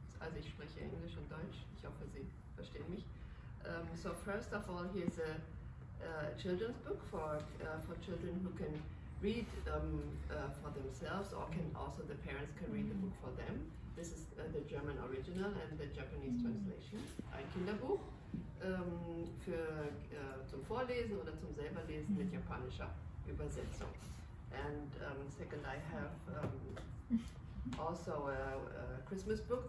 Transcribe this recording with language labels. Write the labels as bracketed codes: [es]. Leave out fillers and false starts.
[de] Also, ich spreche Englisch und Deutsch. Ich hoffe, Sie verstehen mich. [en] So first of all, here's a children's book for children who can read for themselves, or can also the parents can read the book for them. This is the German original and the Japanese translation. [de] Ein Kinderbuch zum Vorlesen oder zum Selberlesen mit japanischer Übersetzung. [en] And second, I have also a Christmas book.